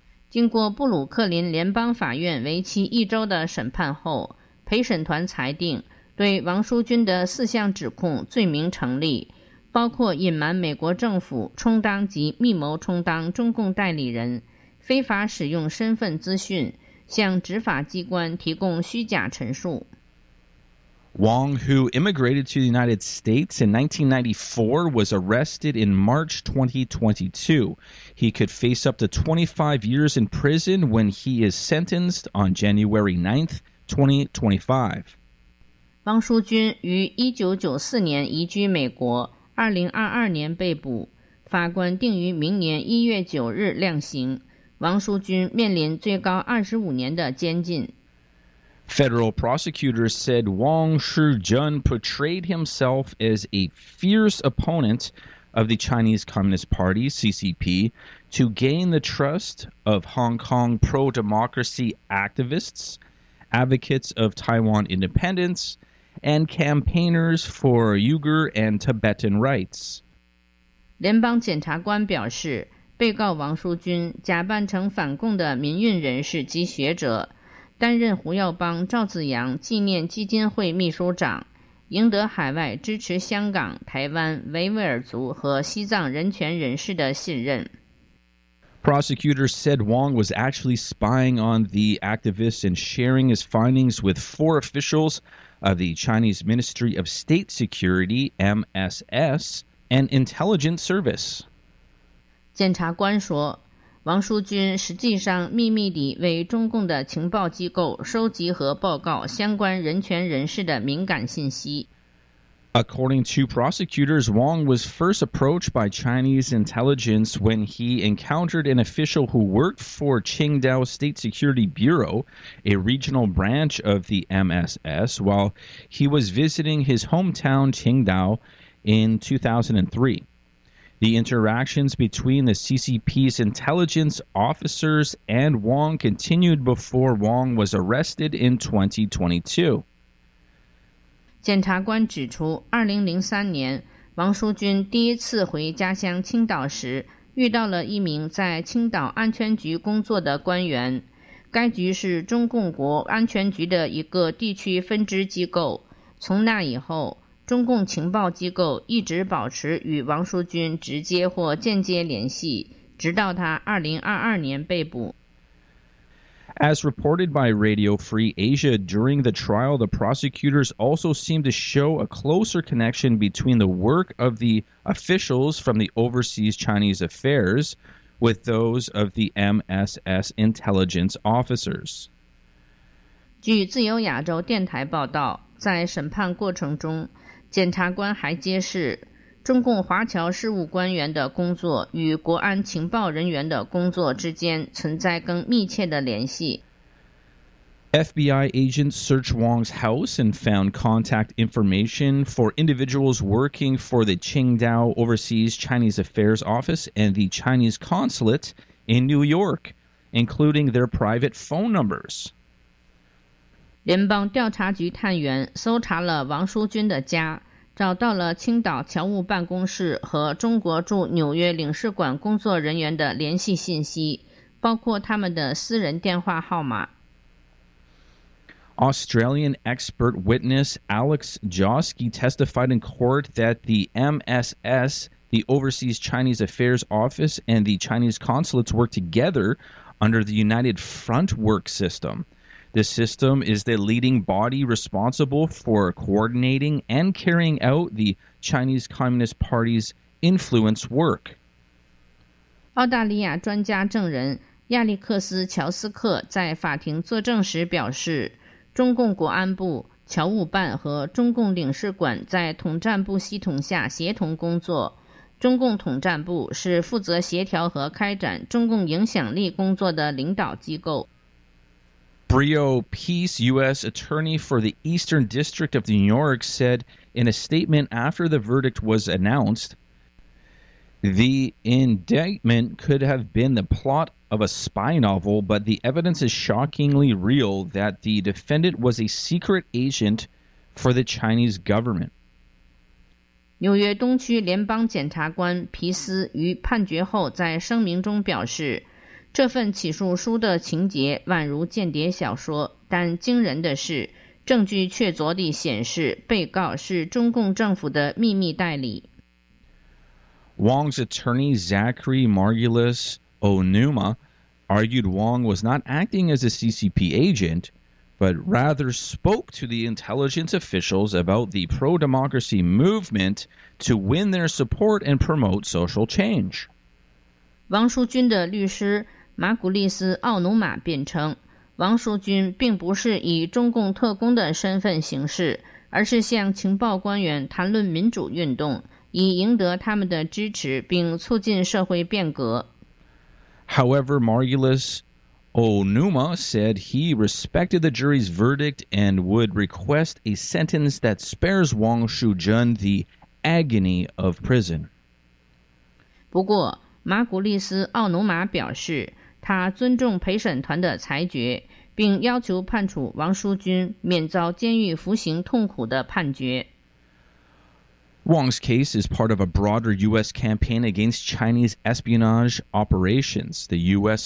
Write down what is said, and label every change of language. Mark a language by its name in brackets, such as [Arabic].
[Chinese] 经过布鲁克林联邦法院为期一周的审判后，陪审团裁定对王淑君的四项指控罪名成立，包括隐瞒美国政府、充当及密谋充当中共代理人、非法使用身份资讯、向执法机关提供虚假陈述。 [English] Wong, who immigrated to the United States in 1994, was arrested in March 2022. He could face up to 25 years in prison when he is sentenced on January 9th, 2025. [Chinese] 王淑君于1994年移居美国，2022年被捕，法官定于明年1月9日量刑。王淑君面临最高25年的监禁。 [English] Federal prosecutors said Wong Shujun portrayed himself as a fierce opponent of the Chinese Communist Party, CCP, to gain the trust of Hong Kong pro-democracy activists, advocates of Taiwan independence, and campaigners for Uyghur and Tibetan rights. [Chinese] 联邦检察官表示，被告王淑君假扮成反共的民运人士及学者，担任胡耀邦赵子阳纪念基金会秘书长，赢得海外支持香港、台湾、维吾尔族和西藏人权人士的信任。 [English] Prosecutors said Wong was actually spying on the activists and sharing his findings with four officials of the Chinese Ministry of State Security, MSS, and Intelligence Service. [Chinese] 检察官说，王淑君实际上秘密地为中共的情报机构收集和报告相关人权人士的敏感信息。 [English] According to prosecutors, Wong was first approached by Chinese intelligence when he encountered an official who worked for Qingdao State Security Bureau, a regional branch of the MSS, while he was visiting his hometown Qingdao in 2003. The interactions between the CCP's intelligence officers and Wong continued before Wong was arrested in 2022. [Chinese] 检察官指出，2003年，王淑君第一次回家乡青岛时，遇到了一名在青岛安全局工作的官员。该局是中共国安全局的一个地区分支机构。从那以后，中共情报机构一直保持与王淑君直接或间接联系，直到他2022年被捕。 [English] As reported by Radio Free Asia, during the trial, the prosecutors also seemed to show a closer connection between the work of the officials from the Overseas Chinese Affairs with those of the MSS intelligence officers. [Chinese] 据自由亚洲电台报道，在审判过程中，检察官还揭示，中共华侨事务官员的工作与国安情报人员的工作之间存在更密切的联系。 [English] FBI agents searched Wong's house and found contact information for individuals working for the Qingdao Overseas Chinese Affairs Office and the Chinese Consulate in New York, including their private phone numbers. [Chinese] 联邦调查局探员搜查了王淑君的家，找到了青岛侨务办公室和中国驻纽约领事馆工作人员的联系信息，包括他们的私人电话号码。 [English] Australian expert witness Alex Joski testified in court that the MSS, the Overseas Chinese Affairs Office, and the Chinese consulates work together under the United Front Work System. This system is the leading body responsible for coordinating and carrying out the Chinese Communist Party's influence work. [Chinese] 澳大利亚专家证人亚历克斯·乔斯克在法庭作证时表示，中共国安部、侨务办和中共领事馆在统战部系统下协同工作。中共统战部是负责协调和开展中共影响力工作的领导机构。 [English] Brio Peace, U.S. Attorney for the Eastern District of New York, said in a statement after the verdict was announced, the indictment could have been the plot of a spy novel, but the evidence is shockingly real that the defendant was a secret agent for the Chinese government. [Chinese] 纽约东区联邦检察官皮斯于判决后在声明中表示，这份起诉书的情节宛如间谍小说，但惊人的是，证据确凿地显示被告是中共政府的秘密代理。 [English] Wong's attorney Zachary Margulis Onuma argued Wong was not acting as a CCP agent, but rather spoke to the intelligence officials about the pro-democracy movement to win their support and promote social change. [Chinese] 王淑君的律师马古利斯·奥努马辩称，王淑君并不是以中共特工的身份行事，而是向情报官员谈论民主运动，以赢得他们的支持并促进社会变革。 [English] However, Margulis Onuma said he respected the jury's verdict and would request a sentence that spares Wang Shujun the agony of prison. [Chinese] 不过，马古利斯·奥努马表示，他尊重陪审团的裁决，并要求判处王淑君免遭监狱服刑痛苦的判决。 [English] Wong's case is part of a broader U.S. campaign against Chinese espionage operations. The U.S.